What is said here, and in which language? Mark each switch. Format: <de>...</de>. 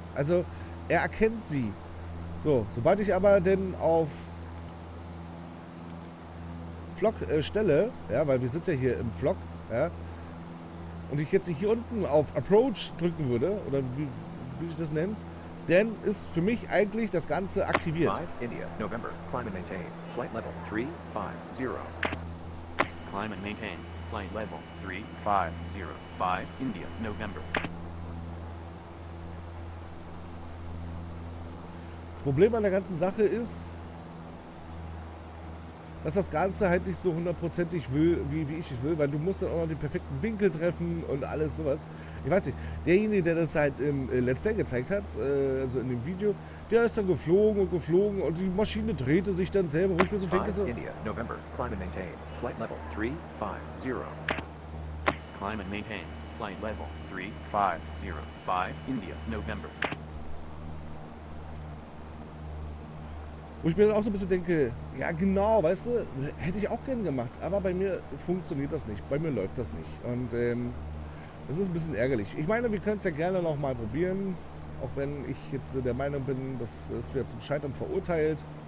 <de>Also er erkennt sie. So, sobald ich aber denn auf Flock stelle, ja, weil wir sind ja hier im Flock, ja, und ich jetzt hier unten auf Approach drücken würde, oder wie ich das nennt, dann ist für mich eigentlich das Ganze aktiviert.</de> <en>India, November, climb and maintain, flight level 350. Climb and maintain, flight level 350 by India, November.</en> <de>Das Problem an der ganzen Sache ist, dass das Ganze halt nicht so hundertprozentig will, wie ich es will, weil du musst dann auch noch den perfekten Winkel treffen und alles sowas. Ich weiß nicht, derjenige, der das halt im Let's Play gezeigt hat, also in dem Video, der ist dann geflogen und geflogen und die Maschine drehte sich dann selber, wo ich mir so denke, so.</de> <en>India, November, climb and maintain, flight level 350. Climb and maintain, flight level 350 by India, November.</en> <de>Wo ich mir dann auch so ein bisschen denke, ja genau, weißt du, hätte ich auch gerne gemacht, aber bei mir funktioniert das nicht, bei mir läuft das nicht. Und das ist ein bisschen ärgerlich. Ich meine, wir können es ja gerne nochmal probieren, auch wenn ich jetzt der Meinung bin, dass es wieder zum Scheitern verurteilt.</de>